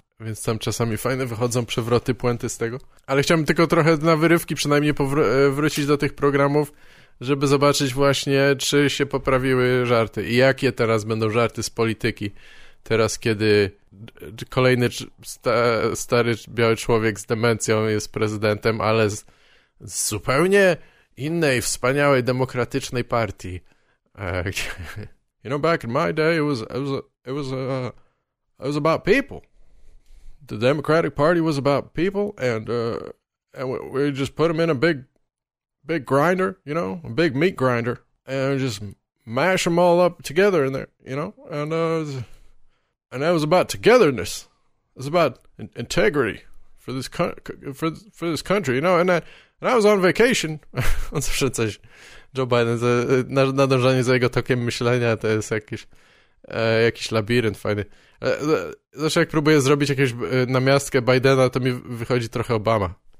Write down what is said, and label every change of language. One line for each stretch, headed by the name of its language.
Polish: Więc tam czasami fajne wychodzą przewroty, puenty z tego. Ale chciałbym tylko trochę na wyrywki przynajmniej wrócić do tych programów, żeby zobaczyć właśnie, czy się poprawiły żarty. I jakie teraz będą żarty z polityki, teraz kiedy kolejny stary biały człowiek z demencją jest prezydentem, ale z zupełnie innej, wspaniałej, demokratycznej partii.
English: You know, back in my day it was about people. The Democratic Party was about people, and we just put them in a big big grinder, you know, a big meat grinder, and just mash them all up together in there, you know, and that was about togetherness. It's about integrity for this for this country, you know. And I was on vacation.
Polish: On zawsze coś. Joe Biden, nadążanie za jego tokiem myślenia to jest jakiś labirynt fajny. Zawsze jak próbuję zrobić jakąś namiastkę Bidena, to mi wychodzi trochę Obama.